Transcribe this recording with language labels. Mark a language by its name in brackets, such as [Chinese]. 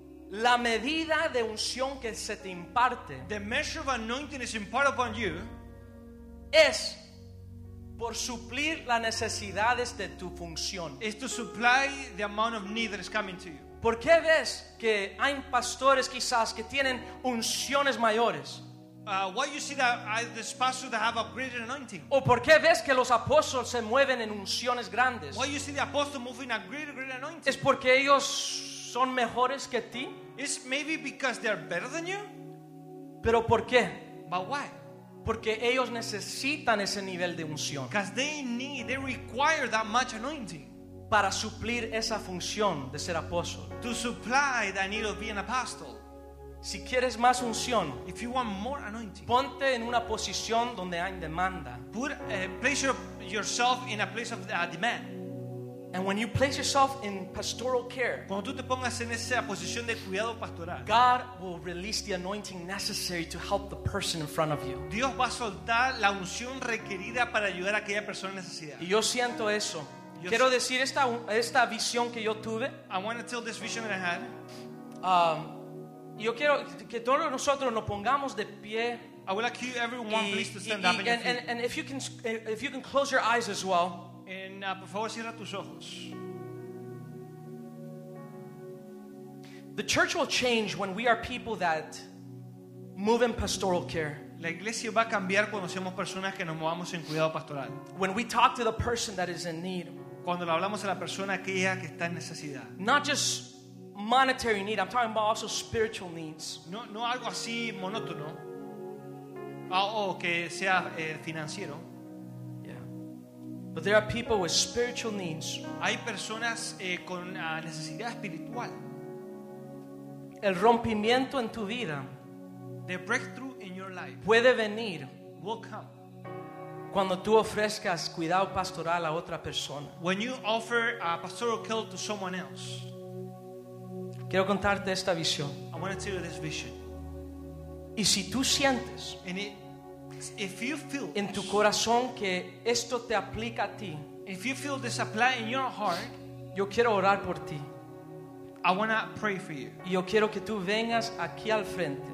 [Spanish] La medida de unción que se te imparte. [English] The measure of anointing is imparted upon you. [Spanish] Es por suplir las necesidades de tu función. [English] Is to supply the amount of need that is coming to you. [Spanish] ¿Por qué ves que hay pastores quizás que tienen unciones mayores? [English] Why you see that there's pastors that have a greater anointing? [Spanish] ¿O por qué ves que los apóstoles se mueven en unciones grandes? [English] Why you see the apostles moving a greater anointing? [Spanish] ¿Es porque ellos son mejores que ti? [English] Is maybe because they're better than you? [Spanish] ¿Pero por qué? [English] But why? [Spanish] Porque ellos necesitan ese nivel de unción. [English] Because they require that much anointing. [Spanish] Para suplir esa función de ser apóstol. [English] To supply the need of being apostle. [Spanish] Si quieres más unción, [English] if you want more anointing, [Spanish] ponte en una posición donde hay demanda. [English] Place yourself in a place of demand. And when you place yourself in pastoral care, [Spanish] cuando tú te pongas en esa posición de cuidado pastoral, [English] God will release the anointing necessary to help the person in front of you. [Spanish] Dios va a soltar la unción requerida para ayudar a aquella persona en necesidad. Y yo siento eso. Quiero decir esta visión que yo tuve. [English] I want to tell this vision that I had. [Spanish] Yo quiero que todos nosotros nos pongamos de pie. [English] I would like you, everyone, please, to stand up. And if you can close your eyes as well. [Spanish] Por favor, cierra tus ojos. [English] The church will change when we are people that move in pastoral care. [Spanish] La iglesia va a cambiar cuando seamos personas que nos movamos en cuidado pastoral. [English] When we talk to the person that is in need. [Spanish] Cuando le hablamos a la persona aquella que está en necesidad. [English] Not just monetary need, I'm talking about also spiritual needs. [Spanish] No algo así monótono. Que sea financiero. [English] Yeah. But there are people with spiritual needs. [Spanish] Hay personas con necesidad espiritual. El rompimiento en tu vida. [English] The breakthrough in your life. [Spanish] Puede venir. [English] Will come. [Spanish] Cuando tú ofrezcas cuidado pastoral a otra persona. [English] When you offer a pastoral care to someone else. [Spanish] Quiero contarte esta visión. [English] I want to tell you this vision. [Spanish] Y si tú sientes, [English] and if you feel, [Spanish] en tu corazón que esto te aplica a ti, [English] if you feel this apply in your heart, [Spanish] yo quiero orar por ti. [English] I want to pray for you. [Spanish] Y yo quiero que tú vengas aquí al frente.